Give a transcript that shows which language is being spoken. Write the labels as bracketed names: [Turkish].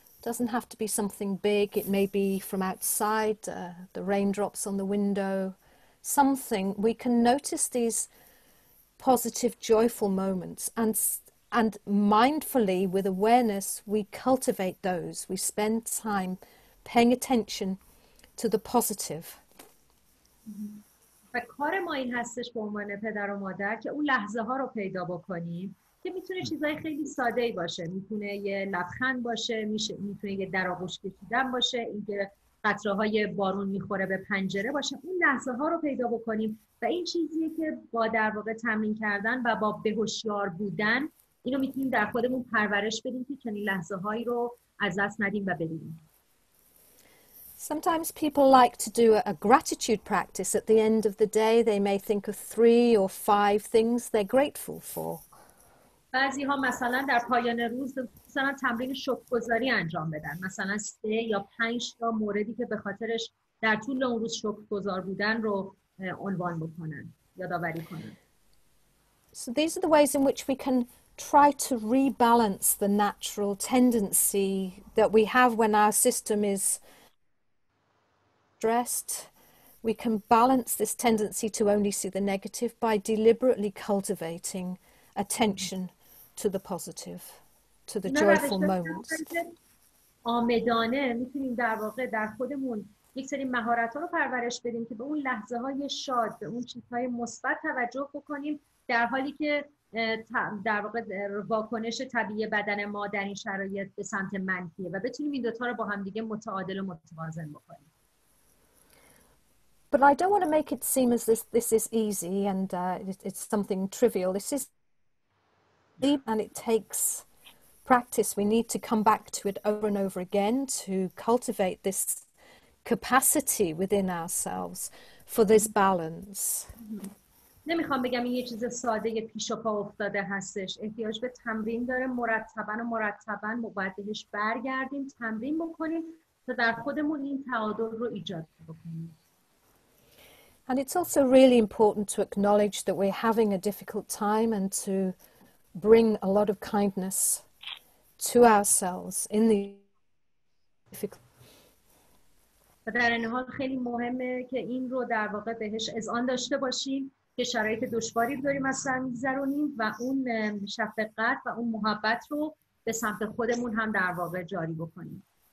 [English] Doesn't have to be something big. It may be from outside, the raindrops on the window, something. We can notice these positive, joyful moments, and mindfully, with awareness, we cultivate those. We spend time paying attention to the positive. [Persian] و کار ما این هستش به عنوان پدر و مادر که اون لحظه ها رو پیدا بکنیم که میتونه چیزای خیلی ساده ای باشه، میتونه یه لبخند باشه، میتونه یه در آغوش کشیدن باشه، اینکه قطره های بارون میخوره به پنجره باشه، اون لحظه ها رو پیدا بکنیم و این چیزیه که با در واقع تمرین کردن و با بهوشیار بودن اینو میتونیم در خودمون پرورش بدیم که چنین لحظه هایی رو از دست ندیم و ببینیم. [English] Sometimes people like to do a gratitude practice at the end of the day. They may think of 3 or 5 things they're grateful for. [Persian] بعضی ها مثلا در پایان روز مثلا تمرین شکرگزاری انجام بدن. مثلا 3 یا 5 تا موردی که به خاطرش در طول اون روز شکرگزار بودن رو عنوان بکنن، یادآوری کنن. [English] So these are the ways in which we can try to rebalance the natural tendency that we have when our system is stressed. We can balance this tendency to only see the negative by deliberately cultivating attention to the positive, to the joyful moments. [Persian] آمدانه میتونیم در واقع در خودمون یک سری مهارت‌ها رو پرورش بدیم که به اون لحظه‌های شاد، به اون چیزهای مثبت توجه بکنیم، در حالی که در واقع واکنش طبیعی بدن ما در این شرایط به سمت منفیه و بتونیم این دو تا رو با هم دیگه متعادل و متوازن بکنیم. [English] But I don't want to make it seem as this is easy and it's something trivial. This is deep and it takes practice. We need to come back to it over and over again to cultivate this capacity within ourselves for this balance. [Persian] نمیخوام بگم این یه چیز ساده یه پیش و پا افتاده هستش. احتیاج به تمرین داره. مرتباً و مرتباً باید بهش برگردیم، تمرین بکنیم تا در خودمون این تعادل رو ایجاد بکنیم. [English] And it's also really important to acknowledge that we're having a difficult time and to bring a lot of kindness to ourselves in the difficult. [Persian] در این حال خیلی مهمه که این رو در واقع بهش اذعان داشته باشیم که شرایط دشواری داریم از سر می‌گذرونیم و اون شفقت و اون محبت رو به سمت خودمون هم در واقع جاری بکنیم.